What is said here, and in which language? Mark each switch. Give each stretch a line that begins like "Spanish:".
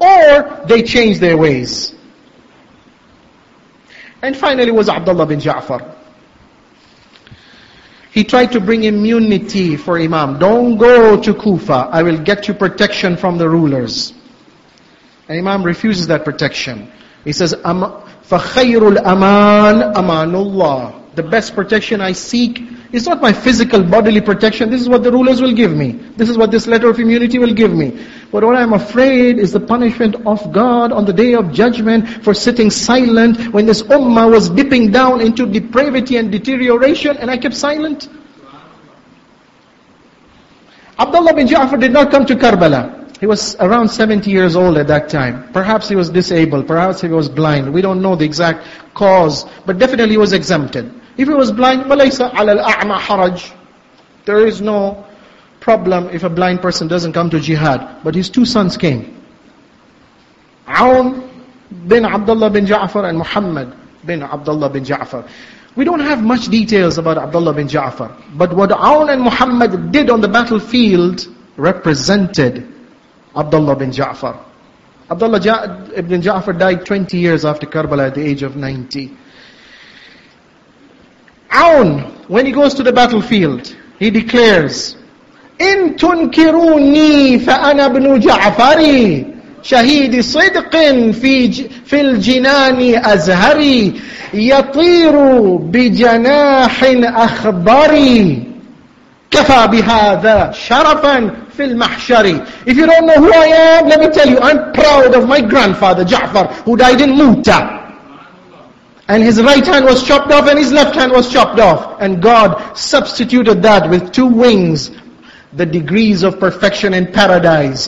English: Or they change their ways. And finally was Abdullah bin Ja'far. He tried to bring immunity for Imam. Don't go to Kufa. I will get you protection from the rulers. And Imam refuses that protection. He says,
Arabic: فَخَيْرُ الْأَمَانِ أَمَانُ اللَّهِ.
English: The best protection I seek is not my physical bodily protection. This is what the rulers will give me. This is what this letter of immunity will give me. But what I'm afraid is the punishment of God on the day of judgment for sitting silent when this ummah was dipping down into depravity and deterioration and I kept silent. Abdullah bin Ja'far did not come to Karbala. He was around 70 years old at that time. Perhaps he was disabled. Perhaps he was blind. We don't know the exact cause. But definitely he was exempted. If he was blind,
Arabic: وَلَيْسَ عَلَى الْأَعْمَى حَرَجٍ.
English: There is no problem if a blind person doesn't come to jihad. But his two sons came. Aun bin Abdullah bin Ja'far and Muhammad bin Abdullah bin Ja'far. We don't have much details about Abdullah bin Ja'far. But what Aun and Muhammad did on the battlefield represented Abdullah bin Ja'far. Abdullah bin Ja'far died 20 years after Karbala at the age of 90. Aun, when he goes to the battlefield, he declares,
Arabic: إِن تُنْكِرُونِي فَأَنَا بْنُ جَعْفَرِي شَهِيدِ صِدْقٍ فِي الْجِنَانِ أَزْهَرِي يَطِيرُ بِجَنَاحٍ أَخْبَرِي كَفَى بِهَذَا شَرَفًا فِي الْمَحْشَرِ.
English: If you don't know who I am, let me tell you, I'm proud of my grandfather, Ja'far, who died in Muta. And his right hand was chopped off and his left hand was chopped off. And God substituted that with two wings, the degrees of perfection in paradise.